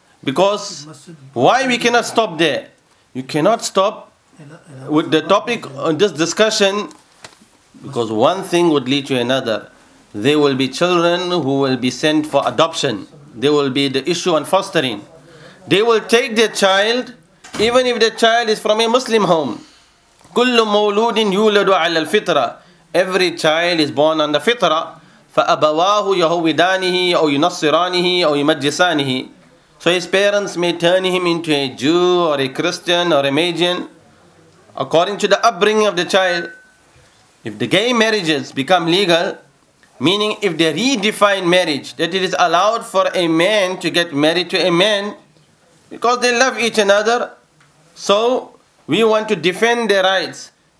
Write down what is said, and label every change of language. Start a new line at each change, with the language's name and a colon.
English: Because why we cannot stop there? You cannot stop with the topic on this discussion, because one thing would lead to another. There will be children who will be sent for adoption. There will be the issue on fostering. They will take their child, even if the child is from a Muslim home.
Arabic: كل مولود يولد على الفطرة.
English: Every child is born on the fitra.
Arabic: فأبواه يهودانه أو ينصرانه أو يمجسانه.
English: So his parents may turn him into a Jew or a Christian or a Magian, according to the upbringing of the child. If the gay marriages become legal, meaning if they redefine marriage, that it is allowed for a man to get married to a man because they love each another, so we want to defend their rights.